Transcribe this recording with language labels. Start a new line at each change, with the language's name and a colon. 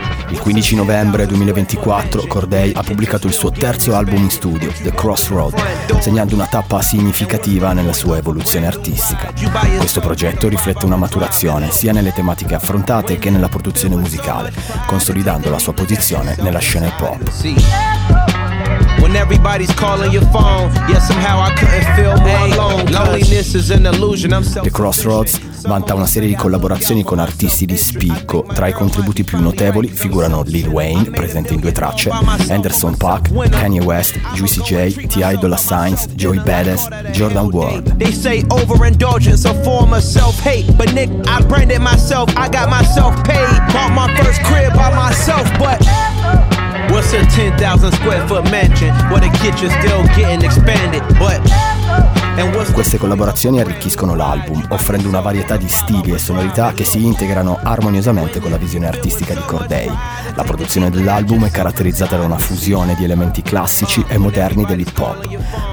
Italian: Il 15 novembre 2024 Cordae ha pubblicato il suo terzo album in studio, The Crossroad, segnando una tappa significativa nella sua evoluzione artistica. Questo progetto riflette una maturazione sia nelle tematiche affrontate che nella produzione musicale, consolidando la sua posizione nella scena hip hop.
English: Everybody's calling your phone. Yeah, somehow I couldn't feel more alone. Loneliness is an illusion.
Italian: The Crossroads vanta una serie di collaborazioni con artisti di spicco. Tra i contributi più notevoli figurano Lil Wayne, presente in due tracce, Anderson .Paak, Kanye West, Juicy J, T.I. Dolla $ign, Joey Badass, Jordan Ward.
English: They say overindulgence a form of self-hate, but Nick, I branded myself, I got myself paid. Bought my first crib by myself, but what's a 10,000 square foot mansion? What a kitchen still getting expanded, but
Italian: queste collaborazioni arricchiscono l'album, offrendo una varietà di stili e sonorità che si integrano armoniosamente con la visione artistica di Cordae. La produzione dell'album è caratterizzata da una fusione di elementi classici e moderni dell'hip hop.